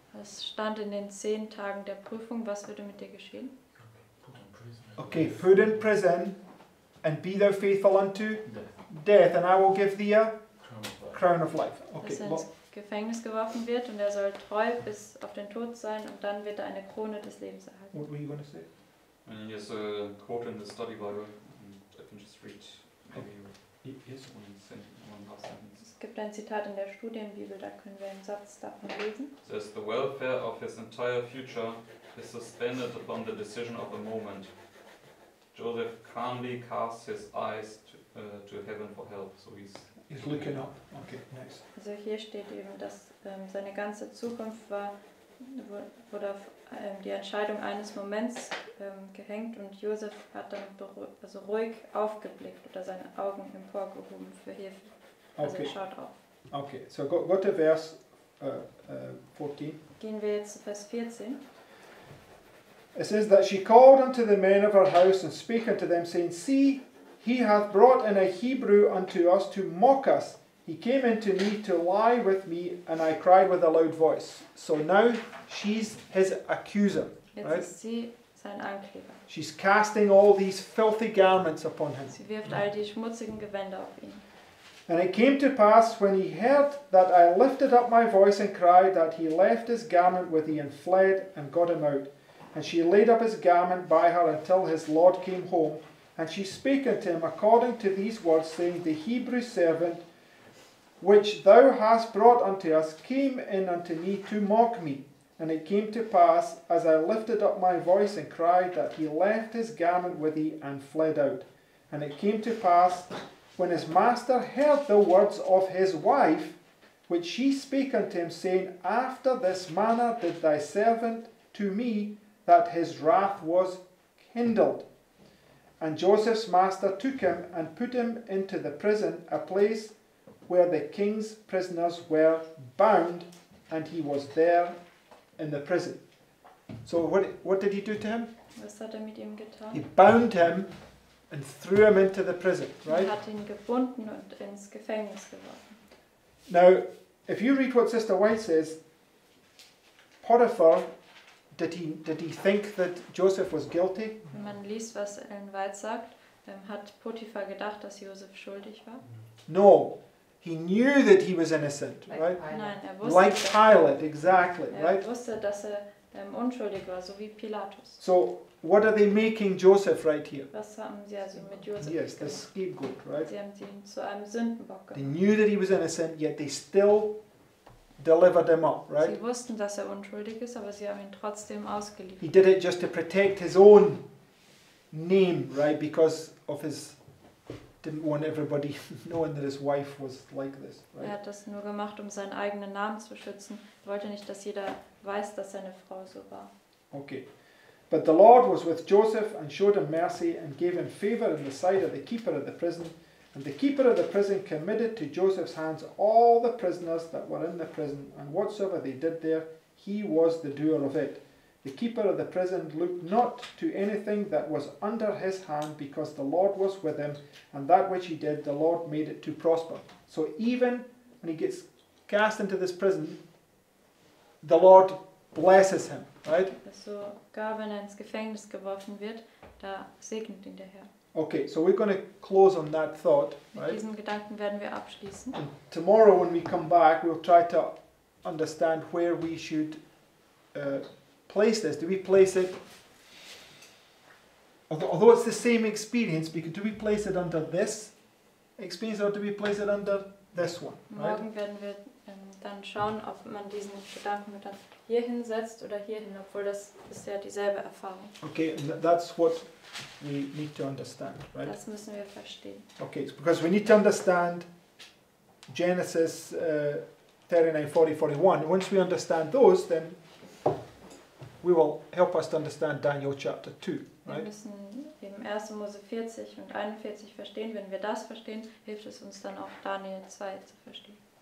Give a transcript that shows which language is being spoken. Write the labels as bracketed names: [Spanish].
[German] Es stand in den 10 Tagen der Prüfung, was würde mit dir geschehen? [English] Okay, put in prison and be thou faithful unto death, and I will give thee a crown of life. Okay, [German] well, Gefängnis geworfen wird und er soll treu bis auf den Tod sein und dann wird er eine Krone des Lebens erhalten. [English] What were you going to say? And yes, a quote in the study Bible. I can just read. Maybe yes, one sentence. [German] Es gibt ein Zitat in der Studienbibel, da können wir einen Satz davon lesen. [English] It says the welfare of his entire future is suspended upon the decision of the moment. Joseph calmly casts his eyes to heaven for help. So he's looking up. Okay, next. [German] Also hier steht eben, dass seine ganze Zukunft war, wurde auf die Entscheidung eines Moments gehängt und Josef hat dann also ruhig aufgeblickt oder seine Augen emporgehoben für Hilfe. Also okay. Er schaut auf. [English] Okay, so go to verse 14. [German] Gehen wir jetzt zu Vers 14. [English] It says that she called unto the men of her house and spake unto them, saying, see, he hath brought in a Hebrew unto us to mock us. He came into me to lie with me, and I cried with a loud voice. So now she's his accuser. [German] Jetzt [English] right? [German] ist sie sein Ankläger. [English] She's casting all these filthy garments upon him. [German] Sie wirft all die schmutzigen Gewänder auf ihn. [English] And it came to pass, when he heard that I lifted up my voice and cried, that he left his garment with me and fled and got him out. And she laid up his garment by her until his lord came home. And she spake unto him according to these words, saying, the Hebrew servant which thou hast brought unto us came in unto me to mock me. And it came to pass, as I lifted up my voice and cried, that he left his garment with thee and fled out. And it came to pass, when his master heard the words of his wife, which she spake unto him, saying, after this manner did thy servant to me, that his wrath was kindled. And Joseph's master took him and put him into the prison, a place where the king's prisoners were bound, and he was there in the prison. So what did he do to him? [German] Was hat er mit ihm getan? [English] He bound him and threw him into the prison, right? [German] Er hat ihn gebunden und ins Gefängnis geworfen. [English] Now, if you read what Sister White says, Potiphar, did he think that Joseph was guilty? [German] Wenn man liest, was Ellen White sagt, hat Potiphar gedacht, dass Joseph schuldig war? [English] No, he knew that he was innocent, like right? [German] Nein, er wusste, [English] like Pilate, exactly, [German] er [English] right? [German] Er wusste, dass er unschuldig war, so wie Pilatus. [English] So, what are they making Joseph right here? [German] Was haben sie also mit Joseph [English] yes, [German] gemacht? [English] The scapegoat, right? [German] Sie haben ihn zu einem Sündenbock gemacht. [English] They knew that he was innocent, yet they still delivered him up, right? [German] Sie wussten, dass er unschuldig ist, aber sie haben ihn trotzdem ausgeliefert. [English] He did it just to protect his own name, right? Because of his didn't want everybody knowing that his wife was like this, right? [German] Er hat das nur gemacht, um seinen eigenen Namen zu schützen. Er wollte nicht, dass jeder weiß, dass seine Frau so war. [English] Okay. But the Lord was with Joseph and showed him mercy and gave him favor in the sight of the keeper of the prison, And the keeper of the prison committed to Joseph's hands all the prisoners that were in the prison, and whatsoever they did there, he was the doer of it. The keeper of the prison looked not to anything that was under his hand, because the Lord was with him, and that which he did, the Lord made it to prosper. So even when he gets cast into this prison, the Lord blesses him, right? [German] So, gar wenn er ins Gefängnis geworfen wird, da segnet ihn der Herr. [English] Okay, so we're going to close on that thought, right? [German] Mit diesen Gedanken werden wir abschließen. [English] And tomorrow when we come back, we'll try to understand where we should place this. Do we place it, although it's the same experience, because do we place it under this experience or do we place it under this one? [German] Morgen [English] right? [German] Werden wir dann schauen, ob man diesen Gedanken mit dann hier hinsetzt oder hier hin, obwohl das ist ja dieselbe Erfahrung. [English] Okay, and that's what we need to understand, right? [German] Das müssen wir verstehen. [English] Okay, it's because we need to understand Genesis 39, 40, 41. Once we understand those, then we will help us to understand Daniel chapter 2, right? [German] Wir müssen eben 1. Mose 40 und 41 verstehen. Wenn wir das verstehen, hilft es uns dann auch Daniel 2 zu verstehen.